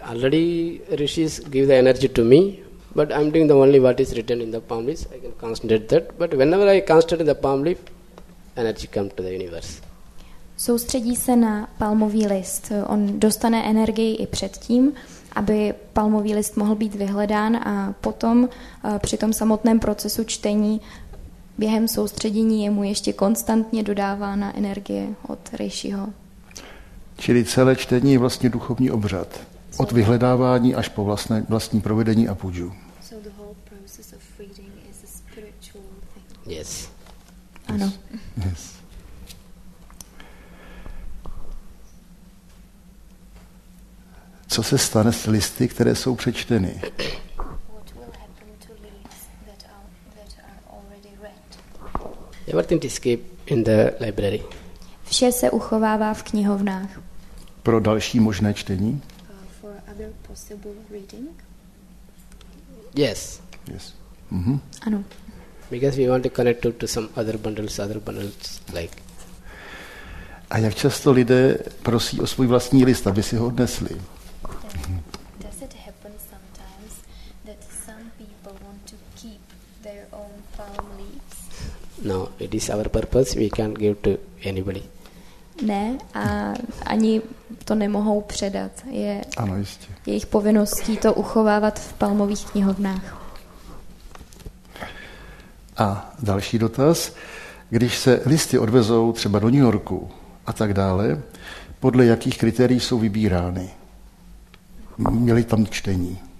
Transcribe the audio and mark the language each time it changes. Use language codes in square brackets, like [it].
[en] Already rishis give the energy to me. But I'm doing the only what is written in the palm leaf. I can concentrate that. But whenever I concentrate in the palm leaf, energy comes to the universe. [cs] Soustředí se na palmový list. On dostane energii i předtím, aby palmový list mohl být vyhledán, a potom při tom samotném procesu čtení během soustředění je mu ještě konstantně dodávána energie od rishiho. Čili celé čtení je vlastně duchovní obřad. Od vyhledávání až po vlastní provedení a půdžu. [en] So the whole process of reading is a spiritual thing. Yes. [cs] Ano. [en] Yes. [cs] Co se stane s listy, které jsou přečteny? [en] What will happen to leaves that are already read? Everything is kept in the library. [cs] Vše se uchovává v knihovnách. Pro další možné čtení? [en] Possible reading? Yes. Mm-hmm. [cs] Ano. [en] Because we want to connect to some other bundles like. [cs] A jak často lidé prosí o svůj vlastní list, aby si ho odnesli? [en] Does it happen sometimes that some people want to keep their own palm leaves? No, it is our purpose. We can't give to anybody. [cs] Ne, a ani to nemohou předat. Je ano, jistě. Jejich povinností to uchovávat v palmových knihovnách. A další dotaz. Když se listy odvezou třeba do New Yorku a tak dále, podle jakých kritérií jsou vybírány? Měli tam čtení?